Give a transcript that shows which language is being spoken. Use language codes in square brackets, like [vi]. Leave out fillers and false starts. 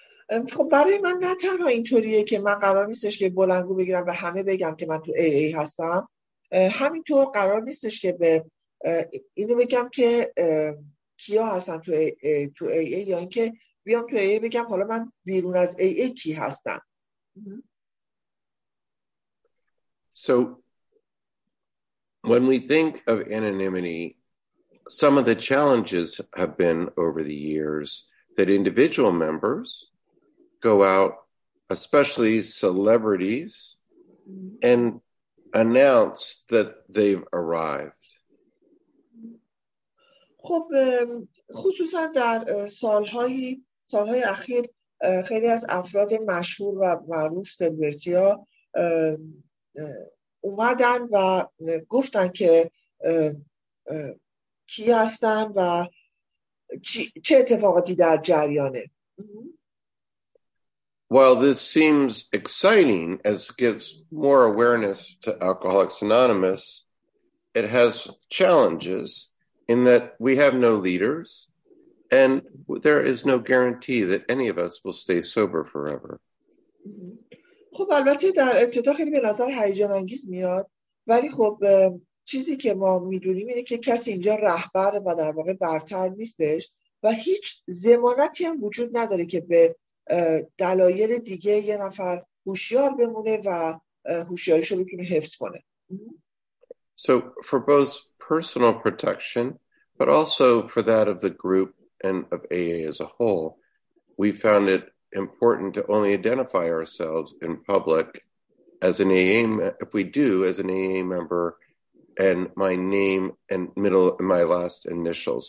[fa] خب برای من نه تنها اینطوریه که من قرار نیستش که بلندگو بگیرم و همه بگم که من تو ای ای هستم، همینطور قرار نیستش که به اینو بگم که کیا هستن تو ای ای، یا اینکه بیام تو ای ای بگم حالا من بیرون از ای ای کی هستم. [en] So when we think of anonymity, some of the challenges have been over the years that individual members go out, especially celebrities, and announce that they've arrived. [fa] خب خصوصا در سالهای اخیر خیلی از افراد مشهور و معروف سلبریتی ها اومدن و گفتن که کی هستن و چه اتفاقاتی در جریانه. [en] While this seems exciting as it gives more awareness to Alcoholics Anonymous, it has challenges in that we have no leaders and there is no guarantee that any of us will stay sober forever. [fa] خب البته در ابتدا خیلی به نظر هیجان انگیز میاد، ولی خب چیزی که ما میدونیم اینه که کسی اینجا رهبر و در واقع برتر نیستش و هیچ ضمانتی هم وجود نداره که به دلایل دیگه یه نفر هوشیار بمونه و هوشیاریش رو بتونه حفظ کنه. [en] So for both personal protection but also for that of the group and of AA as a whole, we found it important to only identify ourselves in public as an AA, if we do, as an AA member, and my name and middle and my last initials.